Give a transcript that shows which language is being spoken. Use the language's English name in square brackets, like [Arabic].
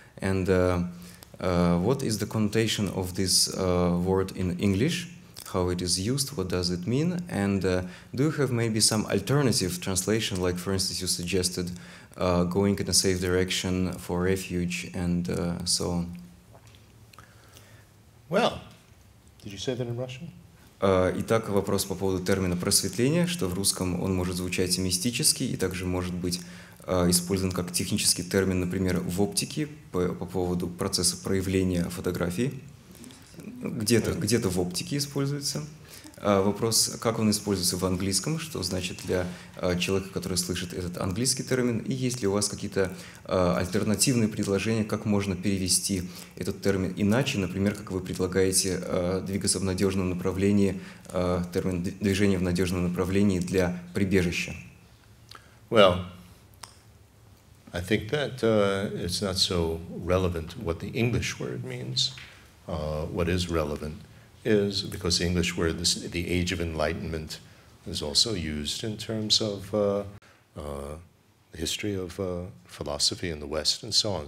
[English] And what is the connotation of this word in English? How it is used, what does it mean, and do you have maybe some alternative translation, like for instance you suggested going in a safe direction for refuge and so on? Well, did you say that in Russian? [Russian] Итак, вопрос по поводу термина просветление, что в русском он может звучать мистически и также может быть использован как технический термин, например, в оптике по поводу процесса проявления фотографии. Где-то в оптике используется. Вопрос, как он используется в английском, что значит для человека, который слышит этот английский термин, и есть ли у вас какие-то альтернативные предложения, как можно перевести этот термин иначе, например, как вы предлагаете двигаться в надежном направлении, термин движения в надежном направлении для прибежища? [English] Well, I think that it's not so relevant what the English word means. What is relevant is, because the English word, the age of enlightenment, is also used in terms of the history of philosophy in the West and so on.